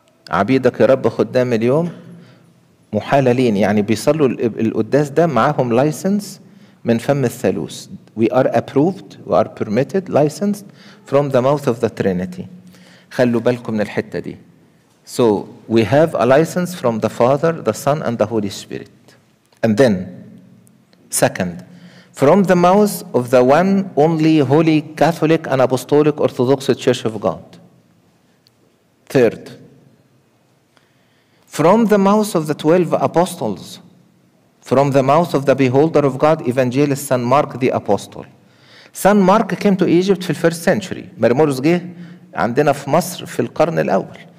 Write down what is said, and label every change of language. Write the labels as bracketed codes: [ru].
[ar] عبيدك يا رب خدام اليوم محللين, يعني بيصلوا القداس ده معاهم license من فم الثالوث. [en] We are approved, we are permitted, licensed from the mouth of the Trinity. [ar] خلوا بالكم من الحتة دي. [en] So we have a license from the Father, the Son, and the Holy Spirit. And then, second, from the mouth of the one only Holy Catholic and Apostolic Orthodox Church of God. Third, from the mouth of the 12 apostles, from the mouth of the beholder of God, Evangelist St. Mark the Apostle. St. Mark came to Egypt in the first century. [ar] مرموروس جه عندنا في مصر في القرن الأول.